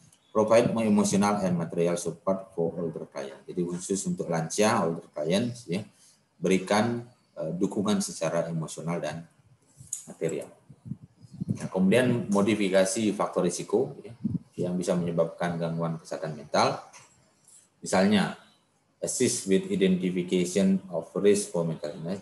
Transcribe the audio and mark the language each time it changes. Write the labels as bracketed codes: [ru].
[en] Provide more emotional and material support for older clients. [id] Jadi khusus untuk lansia, [en] older clients, [id] ya, berikan dukungan secara emosional dan material. Nah, kemudian modifikasi faktor risiko, ya, yang bisa menyebabkan gangguan kesehatan mental. Misalnya, [en] assist with identification of risk for mental illness.